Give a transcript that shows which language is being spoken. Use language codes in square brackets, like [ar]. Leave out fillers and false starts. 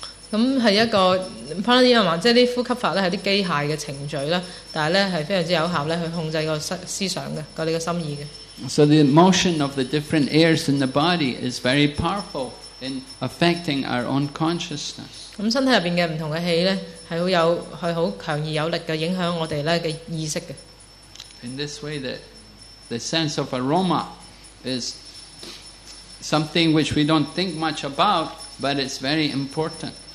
[zh] 是一个, pranayama, 即是呼吸法是一些机械的程序, 但是是非常有效去控制思想的, [en] so the motion of the different airs in the body is very powerful in affecting our own consciousness. [zh] 身體裡面的不同的氣是很強而有力的影響我們的意識的。 [en] In this way, the sense of aroma is something which we don't think much about, but it's very important.